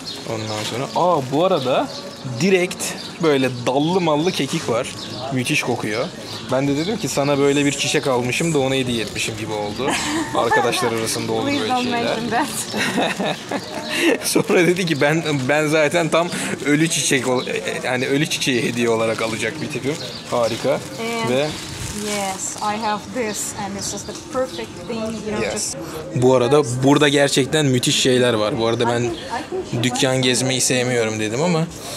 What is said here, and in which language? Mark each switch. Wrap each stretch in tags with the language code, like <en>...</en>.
<tr>Ondan sonra, aa bu arada direkt böyle dallı mallı kekik var. Müthiş kokuyor. Ben de dedim ki sana böyle bir çiçek almışım da ona hediye etmişim gibi oldu. Arkadaşlar arasında oldu böyle şeyler. Sonra dedi ki ben zaten tam ölü çiçek, yani ölü çiçeği hediye olarak alacak bir tipim. Harika. Ve</tr> <en>yes, I have this and this is the perfect thing, you know. Yes. Just...</en> <tr>Bu arada burada gerçekten müthiş şeyler var. Bu arada ben dükkan gezmeyi sevmiyorum dedim ama.</tr>